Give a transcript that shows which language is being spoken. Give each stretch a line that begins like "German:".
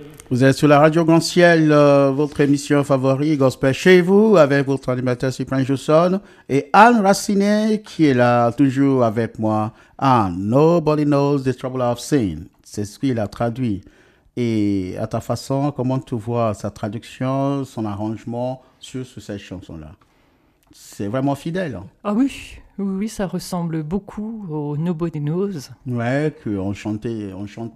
French: Vous êtes sur la Radio Grand Ciel, votre émission favori, Gospel chez vous, avec votre animateur Cyprien Jusson et Anne Racinet qui est là toujours avec moi.
English: Anne, nobody knows the trouble I've seen.
French: C'est ce qu'il a traduit. Et à ta façon, comment tu vois sa traduction, son arrangement sur cette chanson-là? C'est vraiment fidèle. Ah oui, oui, ça ressemble beaucoup au Nobody Knows. Ouais, qu'on chantait, on chante